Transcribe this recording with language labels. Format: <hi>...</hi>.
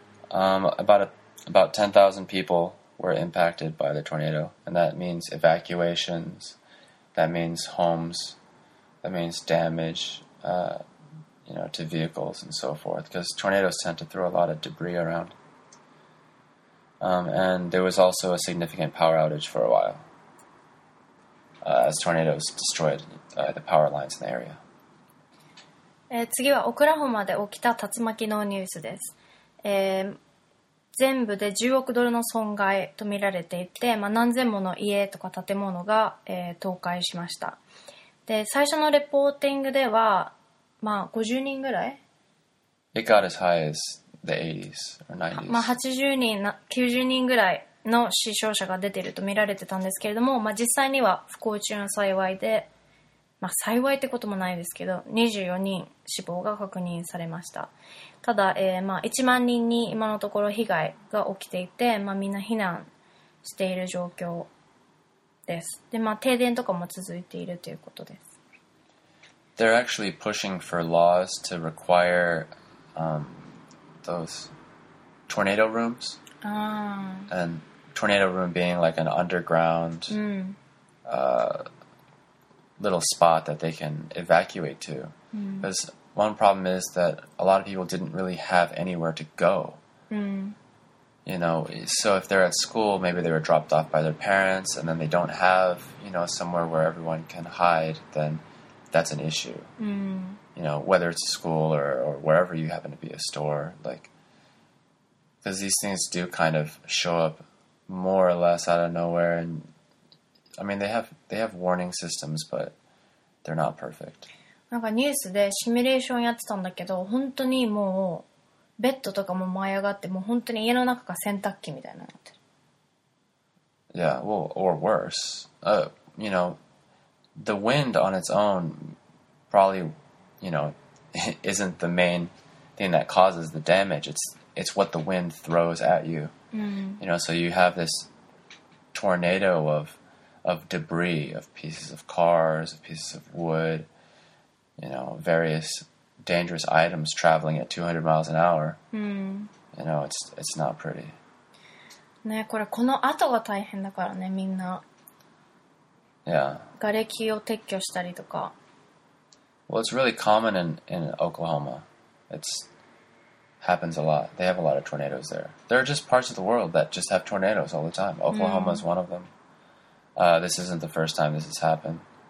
<en>About 10,000 people were impacted by the tornado, and that means evacuations, that means homes, that means damage, to vehicles and so forth, because tornadoes tend to throw a lot of debris around. And there was also a significant power outage for a while. As tornadoes destroyed the power lines in the area.</en> <ja>次はオクラホマで起きた竜巻のニュースです。全部で10億ドルの損害と見られていて、まあ、何千もの家とか建物が、倒壊しました。で、最初のレポーティングでは、まあ、50人ぐらい</ja> <en>?It got as high as the 80s or 90s.</en> <ja>まあ、90人ぐらい。の死傷者が出ていると見られてたんですけれども、まあ、実際には不幸中の幸いで、まあ、幸いってこともないですけど、24人死亡が確認されました。ただ、まあ、1万人に今のところ被害が起きていて、まあ、みんな避難している状況です。で、まあ、停電とかも続いているということです。</ja> <en>They're actually pushing for laws to require, those tornado rooms. And tornado room being like an underground little spot that they can evacuate to. Because one problem is that a lot of people didn't really have anywhere to go. You know, so if they're at school, maybe they were dropped off by their parents and then they don't have, you know, somewhere where everyone can hide, then that's an issue. You know, whether it's a school or wherever you happen to be, a store, like... Because these things do kind of show up more or less out of nowhere. And, I mean, they have warning systems, but they're not perfect.</en> <ja>なんかニュースでシミュレーションやってたんだけど、本当にもうベッドとかも舞い上がって、もう本当に家の中が洗濯機みたいになってる。</ja> <en>Yeah, well, or worse. You know, the wind on its own probably, you know, isn't the main thing that causes the damage. It's what the wind throws at you. You know, so you have this tornado of debris, of pieces of cars, of pieces of wood, you know, various dangerous items traveling at 200 miles an hour. You know, it's not pretty.</en> <ja>ね、これこの後が大変だからね、みんな。</ja> <en>Yeah.</en> <ja>がれきを撤去したりとか。</ja> <en>Well, it's really common in Oklahoma. It's... happens a lot. They have a lot of tornadoes there. There are just parts of the world that just have tornadoes all the time. Oklahoma is one of them. This isn't the first time this has happened.</en>